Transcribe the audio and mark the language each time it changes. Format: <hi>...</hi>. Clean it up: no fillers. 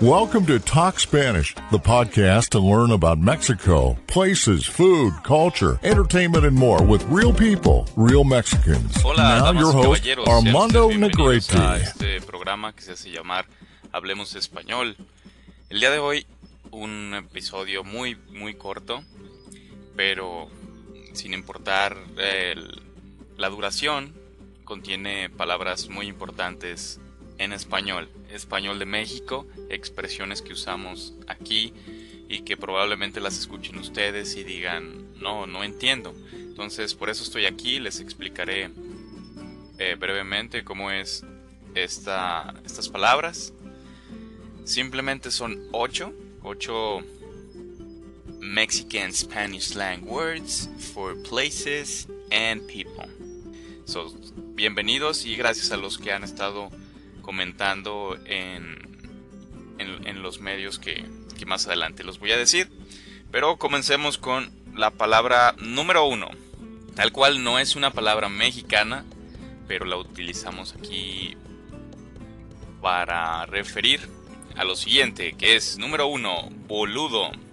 <en>Welcome to Talk Spanish, the podcast to learn about Mexico, places, food, culture, entertainment, and more with real people, real Mexicans.</en> <es>Hola,</es> <en>now your host, Armando Negrete.</en> <es>A este programa que se hace llamar Hablemos Español. El día de hoy, un episodio muy, muy corto, pero sin importar la duración, contiene palabras muy importantes en español, español de México, expresiones que usamos aquí y que probablemente las escuchen ustedes y digan, no entiendo. Entonces, por eso estoy aquí, les explicaré brevemente cómo es estas palabras. Simplemente son ocho</es> <en>Mexican Spanish slang words for places and people.</en> <es>So, bienvenidos y gracias a los que han estado comentando en los medios que más adelante los voy a decir. Pero comencemos con la palabra número uno, tal cual no es una palabra mexicana, pero la utilizamos aquí para referir a lo siguiente, que es número uno, boludo.</es>